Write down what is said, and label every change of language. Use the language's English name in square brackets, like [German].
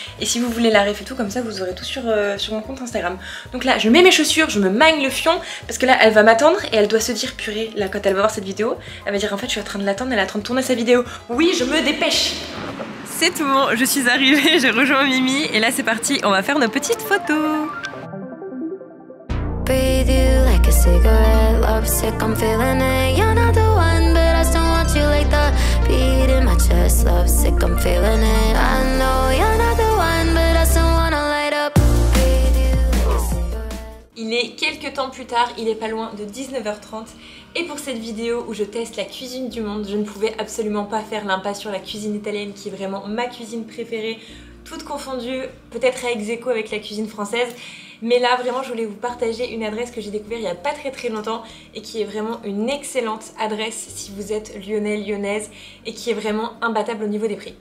[French] Et si vous voulez la ref et tout, comme ça, vous aurez tout sur mon compte Instagram. Donc là, je mets mes chaussures, je me magne le fion parce que là, elle va m'attendre et elle doit se dire purée, là, quand elle va voir cette vidéo, elle va dire en fait, je suis en train de l'attendre, elle est en train de tourner sa vidéo. Oui, je me dépêche. C'est tout bon, je suis arrivée, j'ai rejoint Mimi et là, c'est parti, on va faire nos petites photos. [English] Breathe you like a cigarette, lovesick, I'm feeling it. You're not the one, but I still want you like the beat in my chest, lovesick, I'm feeling it. I know you're not the one, but I still wanna light up. Breathe you like a cigarette. [French] Il est quelques temps plus tard, il est pas loin de 19h30. Et pour cette vidéo où je teste la cuisine du monde, je ne pouvais absolument pas faire l'impasse sur la cuisine italienne qui est vraiment ma cuisine préférée, toute confondue, peut-être à ex aequo avec la cuisine française. Mais là vraiment je voulais vous partager une adresse que j'ai découvert il n'y a pas très très longtemps et qui est vraiment une excellente adresse si vous êtes lyonnais, lyonnaise, et qui est vraiment imbattable au niveau des prix.